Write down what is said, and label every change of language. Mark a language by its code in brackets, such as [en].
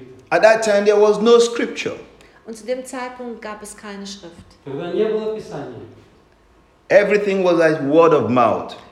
[en] At that time there was no scripture. [de] Und zu dem Zeitpunkt gab es keine Schrift. [ru] Тогда не было Писания. [en] Everything was like word of mouth.